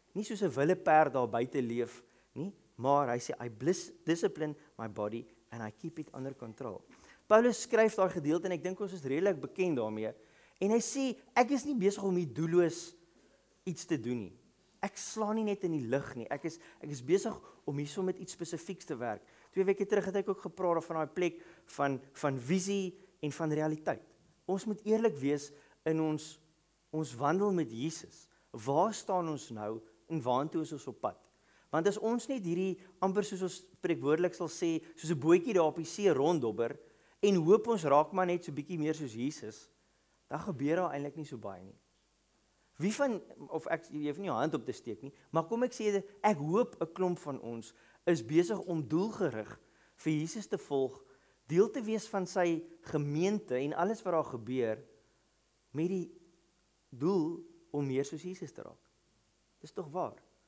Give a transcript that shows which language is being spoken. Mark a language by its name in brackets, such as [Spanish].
[Afrikaans] Nie soos 'n wilde perd daar buite leef nie. Maar hy sê, [English] I discipline my body and I keep it under control. [Afrikaans] Paulus skryf daar gedeelte en ek dink ons is redelik bekend daarmee. En hy sê, ek is nie besig om hier doelloos iets te doen nie. Ek slaan nie net in die lug nie. Ek is besig om hier so met iets spesifieks te werk. 2 weke terug het ek ook gepraat van daai plek van visie en van realiteit. Ons moet eerlik wees in ons wandel met Jesus. Waar staan ons nou en waartoe is ons op pad? Want as ons net hierdie, amper soos ons spreekwoordelik sal sê, soos 'n bootjie daar op die see ronddobber, en hoop ons raak maar net so bietjie meer soos Jesus, dan gebeur daar eintlik nie so baie nie. Wie van, of ek, jy hoef nie jou hand op te steek nie, maar kom ek sê, ek hoop 'n klomp van ons is besig om doelgerig vir Jesus te volg, deel te wees van sy gemeente en alles wat daar gebeur, met die doel om meer soos Jesus te raak. Dis toch waar?